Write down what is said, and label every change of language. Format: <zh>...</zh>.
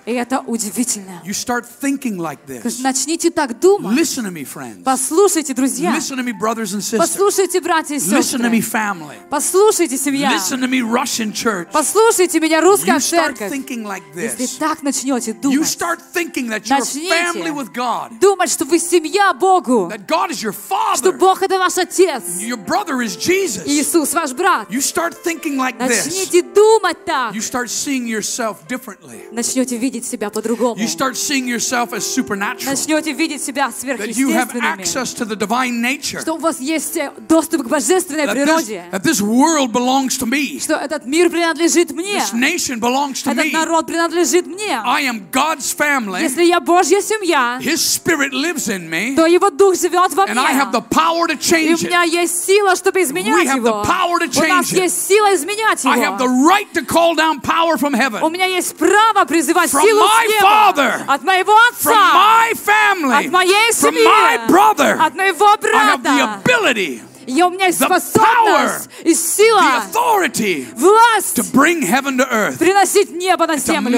<ru>И это удивительно.</ru> <en>You start thinking like this.</en> <ru>Начните так думать.</ru> <en>Listen to me, friends.</en> <ru>Послушайте, друзья.</ru> <en>Listen to me, brothers and sisters.</en> <ru>Послушайте, братья и сестры.</ru> <en>Listen to me, family.</en> <ru>Послушайте, семья.</ru> <en>Listen to me, Russian church.</en> <ru>Послушайте меня, русская церковь.</ru> <en>You start thinking like this.</en> <ru>Если так начнете думать.</ru> <en>You start thinking that you're family with God.</en> <ru>Думать, что вы семья Богу.</ru> <en>That God is your father.</en> <ru>Что Бог это ваш отец.</ru> <en>Your brother is Jesus.</en> <ru>Иисус ваш брат.</ru> <en>You start thinking like this.</en> <ru>Начните думать так.</ru> <en>You start seeing yourself differently.</en> <ru>Начнете видеть себя по-другому.</ru> <en>You start seeing yourself as supernatural.</en> <ru>Начнете видеть себя сверхъестественными. Что у вас есть доступ к божественной природе.</ru> <en>This world belongs to me.</en> <ru>Что этот мир принадлежит мне.</ru> <en>This nation belongs to</en> <ru>этот</ru> <en>me.</en> <ru>Народ принадлежит мне.</ru> <en>I am God's family.</en> <ru>Если я Божья семья.</ru> <en>His spirit lives in me.</en> <ru>То его дух живет во мне.</ru> <en>And I have the power to change it.</en> <ru>У меня есть сила, чтобы изменять его.</ru> <en>We have the power to change it.</en> <ru>У нас есть сила изменять его.</ru> <en>I have the right to call down power from heaven.</en> <ru>У меня есть право призывать силу с неба.</ru> <en>Father,</en> <ru>от моего отца.</ru> <en>From my family,</en> <ru>от моей семьи.</ru> <en>From my brother,</en> <ru>от моего брата.</ru> <en>I have the ability,</en> <ru>и у меня есть способность и сила,</ru> <en>the authority,</en> <ru>власть</ru> <en>to bring heaven to earth,</en> <ru>приносить небо на землю</ru>